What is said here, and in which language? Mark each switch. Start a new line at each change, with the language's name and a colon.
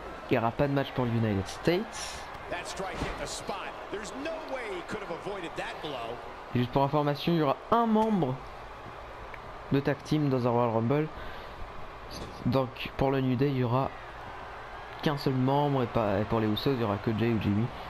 French: Il n'y aura pas de match pour le United States.
English: That strike hit the spot. There's no way he could have avoided that blow.
French: Et juste pour information, il y aura un membre de tag team dans un Royal Rumble. Donc pour le New Day, il y aura qu'un seul membre, et pas, et pour les Usos, il y aura que Jay ou Jimmy.